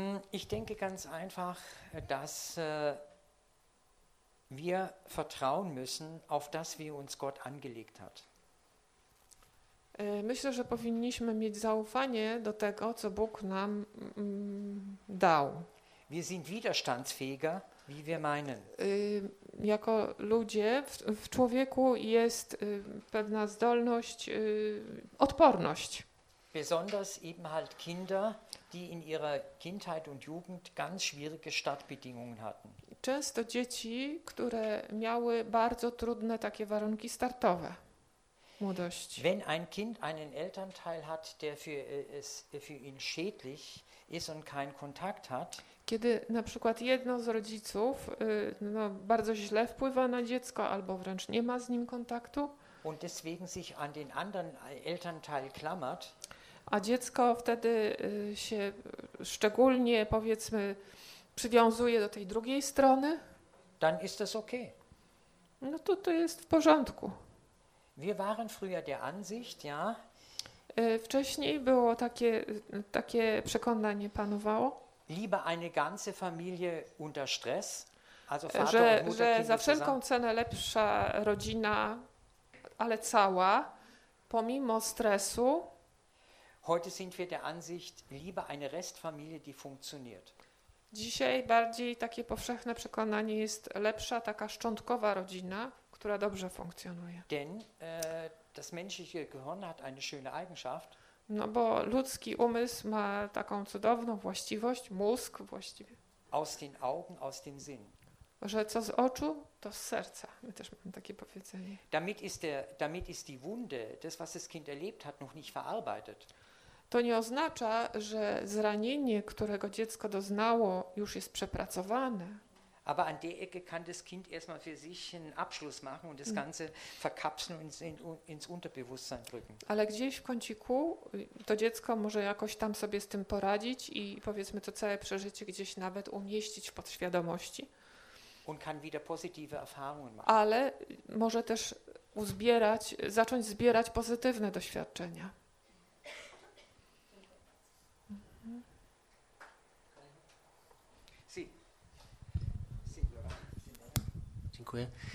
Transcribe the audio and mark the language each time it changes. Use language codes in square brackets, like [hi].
[de] Ich denke ganz einfach, dass wir vertrauen müssen auf das, wie uns Gott angelegt hat. [pl] Myślę, że powinniśmy mieć zaufanie do tego, co Bóg nam dał. [de] Wir sind widerstandsfähiger, wie wir meinen. [pl] Jako ludzie w człowieku jest pewna zdolność, odporność. [de] Besonders eben halt Kinder, die in ihrer Kindheit und Jugend ganz schwierige Startbedingungen hatten. [pl] Często dzieci, które miały bardzo trudne takie warunki startowe. Młodość. [de] Wenn ein Kind einen Elternteil hat, der für ihn schädlich ist und keinen Kontakt hat, [pl] kiedy na przykład jedno z rodziców bardzo źle wpływa na dziecko albo wręcz nie ma z nim kontaktu, [de] und deswegen sich an den anderen Elternteil klammert, [pl] a dziecko wtedy się szczególnie, powiedzmy, przywiązuje do tej drugiej strony, [de] dann ist das okay. [pl] No to jest w porządku. [de] Wir waren früher der Ansicht, ja. [pl] Wcześniej było takie przekonanie panowało. [de] Lieber eine ganze Familie unter Stress, also Vater [pl] że, [de] und Mutter, [pl] że za wszelką cenę lepsza rodzina, ale cała, pomimo stresu. [de] Heute sind wir der Ansicht, lieber eine Restfamilie, die funktioniert. [pl] Dzisiaj bardziej takie powszechne przekonanie jest lepsza taka szczątkowa rodzina, która dobrze funkcjonuje. [de] Denn das menschliche Gehirn hat eine schöne Eigenschaft. [pl] No bo ludzki umysł ma taką cudowną właściwość, mózg właściwie. [de] Aus den Augen, aus dem Sinn. [pl] Że co z oczu, to z serca. My też mamy takie powiedzenie. [de] Damit ist die Wunde, das was das Kind erlebt hat, noch nicht verarbeitet. [pl] To nie oznacza, że zranienie, którego dziecko doznało, już jest przepracowane. [de] Aber an der Ecke kann das Kind erstmal für sich einen Abschluss machen und das Ganze verkapseln und ins Unterbewusstsein drücken. [pl] Ale gdzieś w kąciku to dziecko może jakoś tam sobie z tym poradzić i powiedzmy to całe przeżycie gdzieś nawet umieścić w podświadomości. [de] Und kann wieder positive Erfahrungen machen. [pl] Ale może też zacząć zbierać pozytywne doświadczenia. Dziękuję.